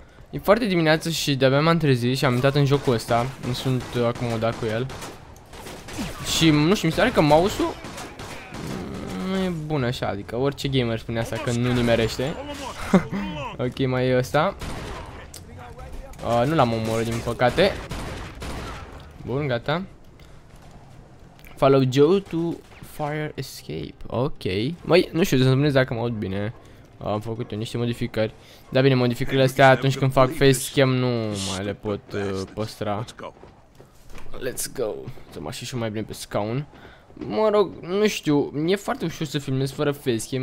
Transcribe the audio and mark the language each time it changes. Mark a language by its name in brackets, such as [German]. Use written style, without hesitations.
[Romanian] E foarte dimineață și de-abia m-am trezit și am intrat în jocul ăsta. Nu sunt acomodat cu el. Și, nu știu, mi se pare că mouse-ul nu e bun așa, adică orice gamer spune asta când nu nimerește. Ok, mai e ăsta. Nu l-am omorât, din păcate. Bun, gata. [English] Follow Joe to fire escape. Ok. [Romanian] Măi, nu știu, să spuneți dacă mă aud bine. Am făcut eu niște modificări. Da, bine, modificările astea atunci când fac facecam nu mai le pot păstra. [English] Let's go. [Romanian] Să mă așez și mai bine pe scaun. Mă rog, nu știu, e foarte ușor să filmez fără facecam.